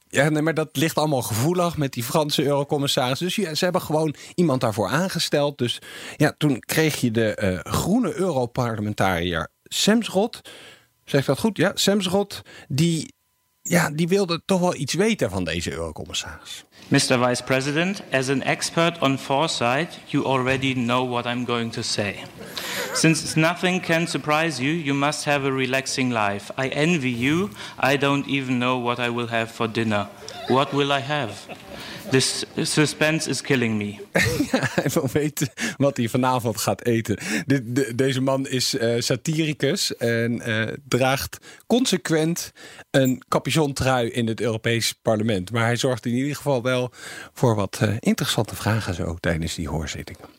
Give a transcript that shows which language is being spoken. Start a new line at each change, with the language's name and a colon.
Dutch: Ja, nee, maar dat ligt allemaal gevoelig met die Franse eurocommissaris. Dus ja, ze hebben gewoon iemand daarvoor aangesteld. Dus ja, toen kreeg je de groene europarlementariër Semsrott. Zeg ik dat goed? Ja, Semsrott. Die wilde toch wel iets weten van deze eurocommissaris.
English: Mr. Vice President, as an expert on foresight, you already know what I'm going to say. Since nothing can surprise you, you must have a relaxing life. I envy you. I don't even know what I will have for dinner. What will I have? This suspense is killing me.
Dutch: Hij wil weten wat hij vanavond gaat eten. Deze man is satiricus en draagt consequent een capuchontrui in het Europees Parlement. Maar hij zorgt in ieder geval wel voor wat interessante vragen zo tijdens die hoorzitting.